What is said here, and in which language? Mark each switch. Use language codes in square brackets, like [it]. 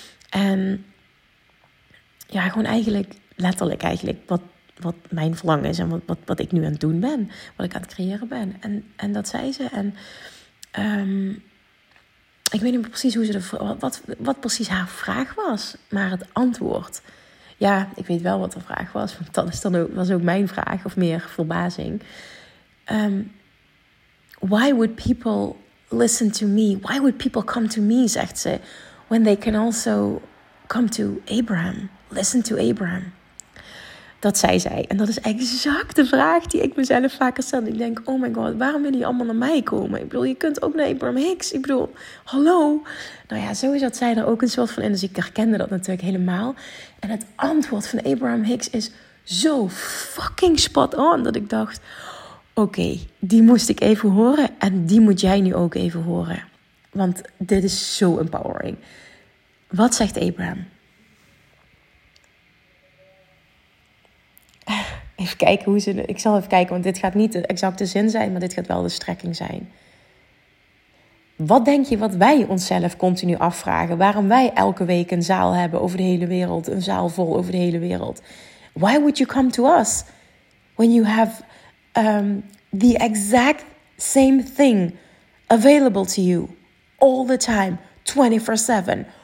[nl] En ja, gewoon eigenlijk, letterlijk eigenlijk, wat mijn verlangen is en wat ik nu aan het doen ben. Wat ik aan het creëren ben. En dat zei ze. En ik weet niet precies hoe ze wat precies haar vraag was, maar het antwoord. Ja, ik weet wel wat de vraag was, want dat is dan ook, was ook mijn vraag, of meer verbazing. [en] Why would people listen to me? Why would people come to me, [nl] zegt ze, [en] when they can also come to Abraham? Listen to Abraham. [nl] Dat zei zij. En dat is exact de vraag die ik mezelf vaker stel. Ik denk, [en] oh my god, [nl] waarom willen die allemaal naar mij komen? Ik bedoel, je kunt ook naar Abraham Hicks. Ik bedoel, hallo? Nou ja, zo is dat zij er ook een soort van in. Dus ik herkende dat natuurlijk helemaal. En het antwoord van Abraham Hicks is zo fucking spot on. Dat ik dacht, oké, die moest ik even horen. En die moet jij nu ook even horen. Want dit is zo empowering. Wat zegt Abraham? Even kijken hoe ze. Ik zal even kijken, want dit gaat niet de exacte zin zijn, maar dit gaat wel de strekking zijn. Wat denk je wat wij onszelf continu afvragen? Waarom wij elke week een zaal hebben over de hele wereld, een zaal vol over de hele wereld? [en] Why would you come to us when you have the exact same thing available to you all the time, 24/7?